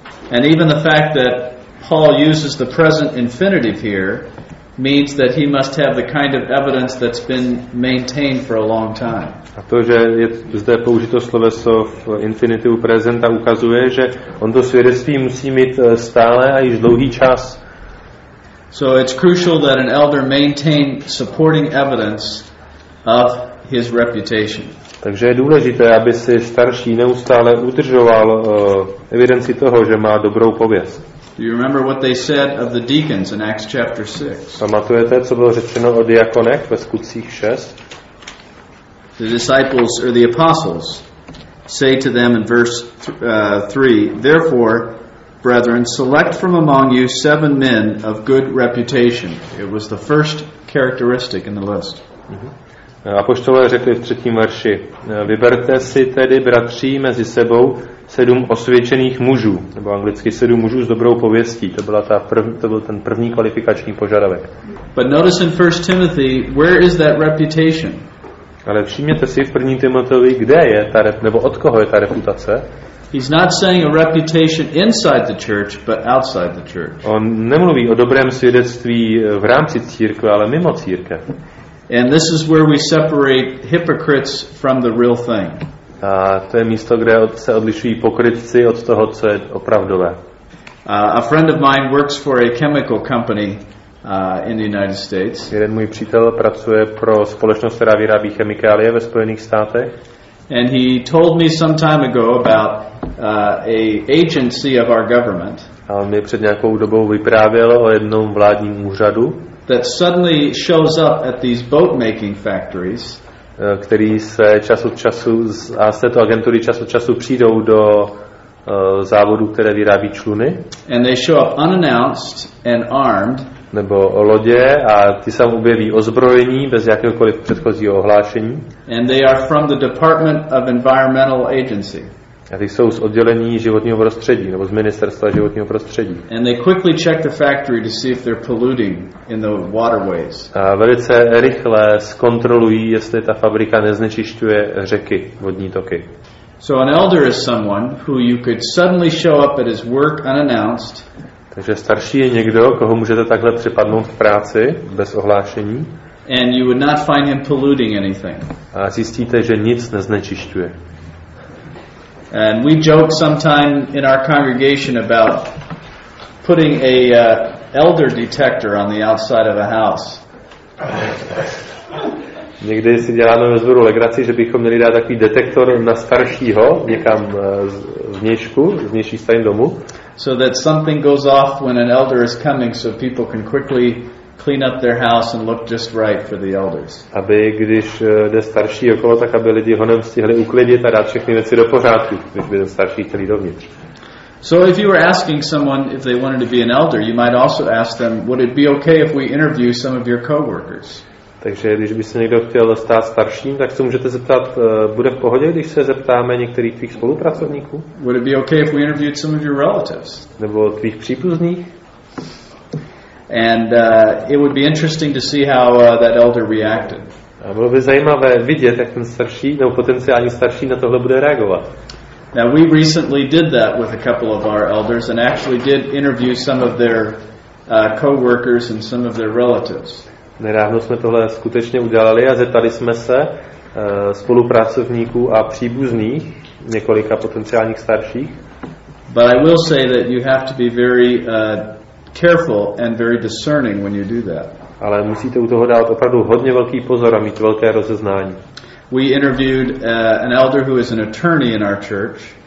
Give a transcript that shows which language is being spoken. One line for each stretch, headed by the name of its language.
English: And even the fact that Paul uses the present infinitive here means that he must have the kind of evidence that's been maintained for a long time.
Czech: A to, že je zde použito sloveso v infinitivu prezenta, ukazuje, že on to svědectví musí mít stále a již dlouhý čas.
English: So it's crucial that an elder maintain supporting evidence of his reputation.
Czech: Takže je důležité, aby si starší neustále udržoval evidenci toho, že má dobrou pověst.
English: Do you remember what they said of the deacons in Acts chapter 6?
Czech: Pamatujete, co bylo řečeno o diakonech ve Skutcích 6?
English: The disciples or the apostles say to them in verse 3, therefore, brethren, select from among you seven men of good reputation. It was the first characteristic in the list.
Czech: Apoštolé řekli v třetím verši, vyberte si tedy, bratři, mezi sebou sedm osvědčených mužů, nebo anglicky sedm mužů s dobrou pověstí. To byl ten první kvalifikační požadavek.
English: But notice in 1 Timothy, where is that reputation?
Czech: Ale všimněte si v 1. Timoteovi, kde je ta, nebo od koho je ta reputace?
English: He's not saying a reputation inside the church, but outside the church.
Czech: On nemluví o dobrém svědectví v rámci církve, ale mimo církev.
English: And this is where we separate hypocrites from the real thing.
Czech: A to je místo, kde se odlišují pokrytci od toho, co je opravdové.
English: A friend of mine works for a chemical company in the United States.
Czech: Jeden můj přítel pracuje pro společnost, která vyrábí chemikálie ve Spojených státech.
English: And he told me some time ago about a agency of our government.
Czech: A on mi před nějakou dobou vyprávěl o jednom vládním úřadu.
English: That suddenly shows up at these boat-making factories.
Czech: Který se čas od času, a z této agentury čas od času přijdou do závodu, které vyrábí čluny.
English: And they show up unannounced and armed.
Czech: Nebo o lodě a ty se objeví ozbrojení bez jakéhokoliv předchozího ohlášení.
English: And they are from the Department of Environmental Agency.
Czech: A ty jsou z oddělení životního prostředí nebo z ministerstva životního prostředí.
English: And they quickly check the factory to see if they're polluting in the waterways.
Czech: A velice rychle zkontrolují, jestli ta fabrika neznečišťuje řeky, vodní toky.
English: So an elder is someone who you could suddenly show up at his work unannounced.
Czech: Takže starší je někdo, koho můžete takhle připadnout v práci bez ohlášení.
English: And you would not find him polluting anything.
Czech: A zjistíte, že nic neznečišťuje.
English: And we joke sometime in our congregation about putting a elder detector on the outside of a house.
Czech: Někdy si děláme ve sboru legraci, že bychom měli dát takový detektor na staršího někam vnějšku, vnější stěny domu.
English: So that something goes off when an elder is coming, so people can quickly clean up their house and look just right for the elders.
Czech: Aby když jde starší okolo, tak aby lidi honem stihli uklidit a dát všechny věci do pořádku, když by ten starší chtěl jít dovnitř.
English: So if you were asking someone if they wanted to be an elder, you might also ask them, would it be okay if we interview some of your coworkers?
Czech: Takže když by se někdo chtěl stát starším, tak se můžete zeptat, bude v pohodě, když se zeptáme některých tvých spolupracovníků?
English: Would it be okay if we interviewed some of your relatives?
Czech: Nebo tvých příbuzných?
English: And it would be interesting to see how that elder reacted.
Czech: A bylo by zajímavé vidět, jak ten starší, nebo potenciální starší na tohle bude reagovat.
English: Now we recently did that with a couple of our elders and actually did interview some of their co-workers and some of their relatives.
Czech: Nedávno jsme tohle skutečně udělali a zeptali jsme se spolupracovníků a příbuzných několika potenciálních starších.
English: But I will say that you have to be very careful and very discerning when you do that.
Czech: Ale musíte u toho dát opravdu hodně velký pozor a mít velké rozeznání.
English: We interviewed an elder who is an attorney in our church.